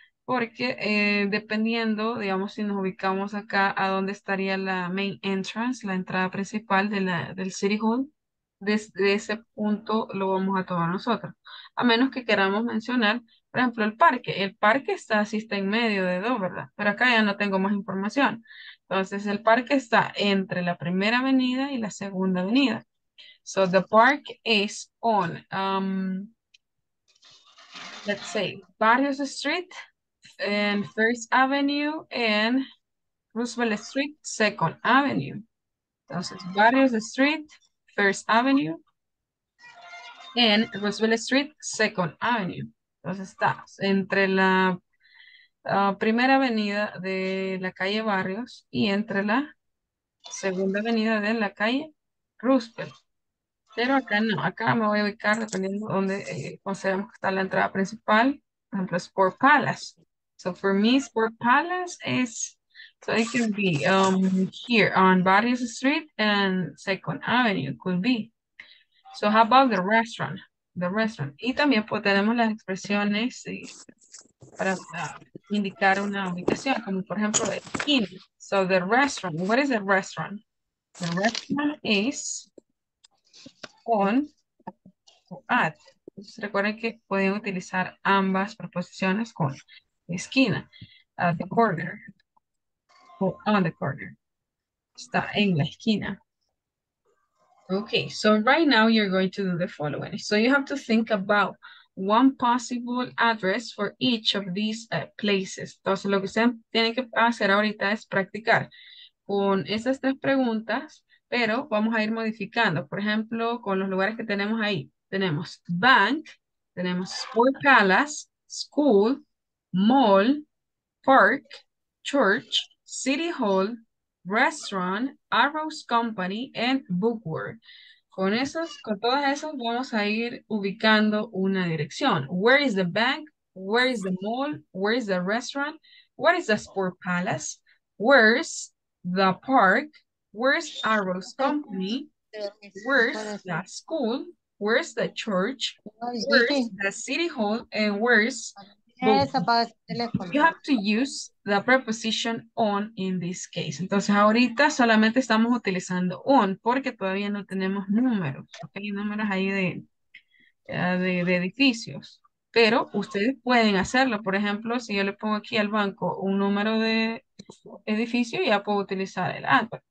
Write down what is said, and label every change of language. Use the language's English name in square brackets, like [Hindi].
[Spanish] Porque dependiendo, digamos, si nos ubicamos acá, ¿a dónde estaría la [English] main entrance, [Spanish] la entrada principal de la, del City Hall? Desde ese punto lo vamos a tomar nosotros. A menos que queramos mencionar, por ejemplo, el parque. El parque está, sí está en medio de dos, ¿verdad? Pero acá ya no tengo más información. Entonces, el parque está entre la primera avenida y la segunda avenida. [English] So, the park is on, let's say, Barrios Street and First Avenue and Roosevelt Street, Second Avenue. [Spanish] Entonces, Barrios Street, First Avenue and Roosevelt Street, Second Avenue. Entonces, está entre la primera avenida de la calle Barrios y entre la segunda avenida de la calle Roosevelt. Pero acá no, acá me voy a ubicar dependiendo de dónde consideramos que está la entrada principal, por ejemplo, Sport Palace. [English] So for me, Sport Palace is, so it can be here on Barrios Street and Second Avenue, could be. So how about the restaurant? The restaurant. [Spanish] Y también pues, tenemos las expresiones para indicar una ubicación, como por ejemplo, el inn. [English] So the restaurant, what is the restaurant? The restaurant is on o at. [Spanish] Entonces, recuerden que pueden utilizar ambas preposiciones con esquina. [English] At the corner. O on the corner. [Spanish] Está en la esquina. [English] Okay, so right now you're going to do the following. So you have to think about one possible address for each of these places. [Spanish] Entonces lo que ustedes tienen que hacer ahorita es practicar con esas tres preguntas. Pero vamos a ir modificando, por ejemplo, con los lugares que tenemos ahí. [English] Tenemos bank, tenemos Sport Palace, school, mall, park, church, city hall, restaurant, Arrows Company, and bookworm. [Spanish] Con esos, con todas esas vamos a ir ubicando una dirección. [English] Where is the bank? Where is the mall? Where is the restaurant? Where is the Sport Palace? Where's the park? Where's Arrows Company? Where's the school? Where's the church? Where's the city hall? And where's both? You have to use the preposition on in this case. [Spanish] Entonces, ahorita solamente estamos utilizando on porque todavía no tenemos números. Hay números ahí de edificios. Pero ustedes pueden hacerlo. Por ejemplo, si yo le pongo aquí al banco un número de edificio, ya puedo utilizar el at.